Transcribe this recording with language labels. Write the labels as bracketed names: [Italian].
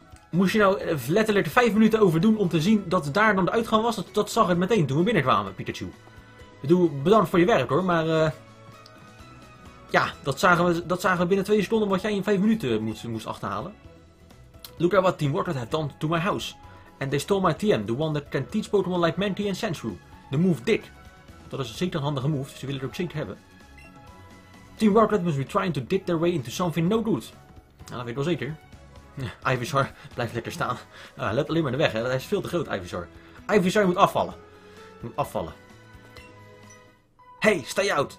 [Dutch] Moest je nou letterlijk 5 minuten over doen om te zien dat daar dan de uitgang was? Dat zag ik meteen toen we binnenkwamen, Pikachu. Ik bedoel, bedankt voor je werk hoor, maar... Ja, dat zagen we binnen 2 seconden wat jij in 5 minuten moest achterhalen. [English] Look at what Team Rocket have done to my house. And they stole my TM, the one that can teach Pokémon like Mantis and Sandshrew. The move Dick. [Dutch] Dat is zeker een handige move, dus ze willen het ook zeker hebben. [English] Team Rocket must be trying to dig their way into something no good. [Dutch] Nou, dat weet ik wel zeker. Ivysaur blijft lekker staan. Let alleen maar de weg, hè. Hij is veel te groot, Ivysaur. Ivysaur moet afvallen. Moet afvallen. [English] Hey, stay out.